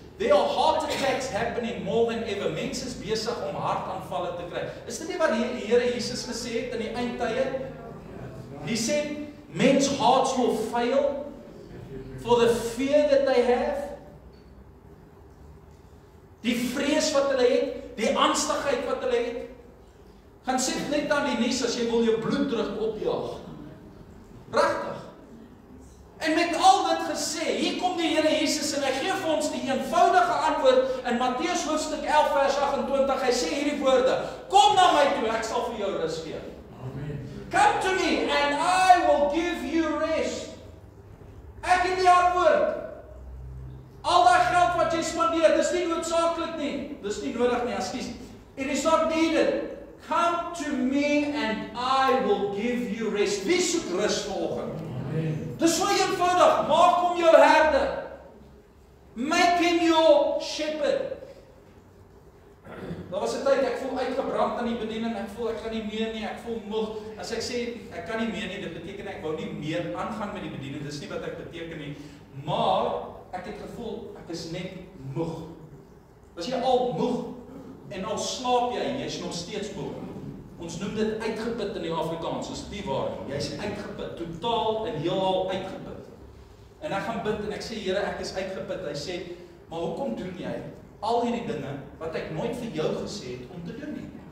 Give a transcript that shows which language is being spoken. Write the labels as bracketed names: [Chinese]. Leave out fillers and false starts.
[English] There are heart attacks happening more than ever. [Afrikaans] Mense is besig om hartaanvalle te kry. Is dit nie wat die Here Jesus gesê het in die eindtye? Hy sê [English] men's hearts will fail for the fear that they have. [Afrikaans] Die vrees wat hulle het, die angstigheid wat hulle het. Gaan sê net aan die nuus as jy wil jou bloed druk opjaag. Regtig. En met al dit gesê, hier kom die Here Jesus en hy gee vir ons die eenvoudige antwoord in Matteus hoofstuk 11 vers 28. Hy sê hierdie woorde: kom na my toe, ek sal vir jou rus gee. [English] Come to me and I will give you rest. [Afrikaans] Ek het die antwoord. Al daai geld wat jy spandeer, dis nie noodsaaklik nie. Dis nie nodig nie, ekskuus. [English] It is not needed. Come to me and I will give you rest. [Afrikaans] Wie soek rus vanoggend? Dis so eenvoudig. Maak hom jou herder. [English] Make him your shepherd. [Afrikaans] Daar was 'n tyd ek voel uitgebrand aan die bediening. Ek voel ek gaan nie meer nie. Ek voel moeg. As ek sê ek kan nie meer nie, dit beteken ek wou nie meer aangaan met die bediening. Dis nie wat ek beteken nie. Maar ek het gevoel ek is net moeg. Was jy al moeg? En al slaap jy, jy's nog steeds moeg. Ons noem dit uitgeput in die Afrikaans, is die waarheid. Jy's uitgeput, totaal en heelal uitgeput. En ek gaan bid en ek sê Here, ek is uitgeput. Hy sê, "Maar hoekom doen jy al hierdie dinge wat ek nooit vir jou gesê het om te doen nie?